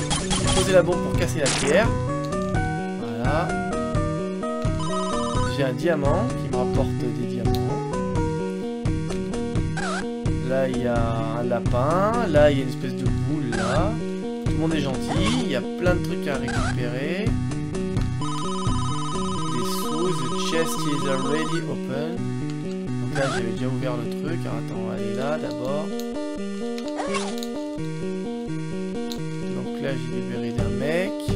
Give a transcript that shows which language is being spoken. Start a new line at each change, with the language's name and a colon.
French: Je vais poser la bombe pour casser la pierre. Voilà. J'ai un diamant qui me rapporte des diamants. Là il y a un lapin, là il y a une espèce de boule là. Tout le monde est gentil, il y a plein de trucs à récupérer. Des sous,
English: the chest is already open.
French: Là j'avais déjà ouvert le truc, alors attends, on va aller là d'abord. Donc là j'ai libéré d'un mec.